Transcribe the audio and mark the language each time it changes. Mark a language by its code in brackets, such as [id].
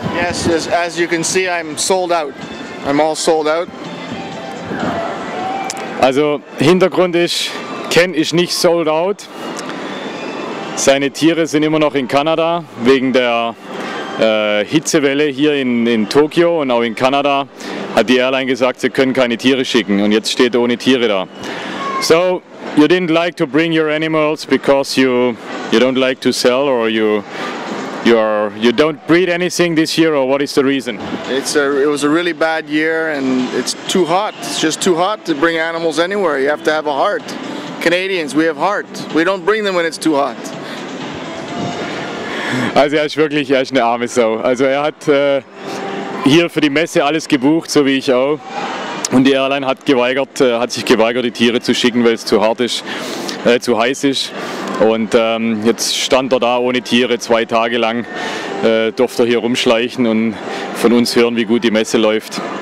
[en] Yes, as you can see, I'm sold out. I'm all sold out. [de] Also Hintergrund ist, Ken ist nicht [en] sold out. [de] Seine Tiere sind immer noch in Kanada wegen der Hitzewelle hier in Tokio und auch in Kanada hat die Airline gesagt, sie können keine Tiere schicken und jetzt steht er ohne Tiere da. [en] So, you didn't like to bring your animals because you don't like to sell or you don't breed anything this year or what is the reason? It was a really bad year and it's too hot. It's just too hot to bring animals anywhere. You have to have a heart. Canadians, we have heart. We don't bring them when it's too hot. [de] Also er ist eine arme Sau. Also er hat hier für die Messe alles gebucht, so wie ich auch. Und die Airline hat sich geweigert, die Tiere zu schicken, weil es zu hart ist, zu heiß ist. Und jetzt stand er da ohne Tiere 2 Tage lang, durfte hier rumschleichen und von uns hören, wie gut die Messe läuft.